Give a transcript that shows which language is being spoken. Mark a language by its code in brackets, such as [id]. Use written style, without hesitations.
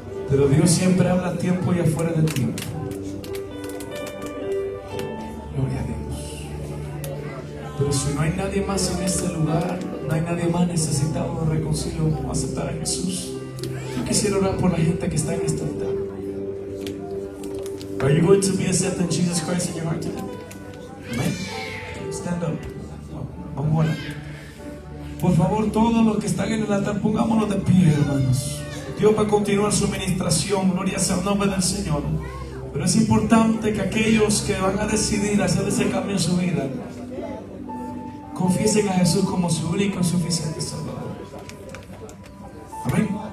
[es] Pero Dios siempre habla a tiempo y afuera de tiempo. Gloria a Dios. Pero si no hay nadie más en este lugar, no hay nadie más necesitado de reconcilio como aceptar a Jesús. Yo quisiera orar por la gente que está en este altar. [en] Are you going to be accepting Jesus Christ in your heart today? Amen. Stand up. Oh. [es] Vamos a orar. Por favor, todos los que están en el altar, pongámonos de pie, hermanos. Dios va a continuar su ministración. Gloria sea el nombre del Señor. Pero es importante que aquellos que van a decidir hacer ese cambio en su vida, confiesen a Jesús como su único y suficiente Salvador. Amén.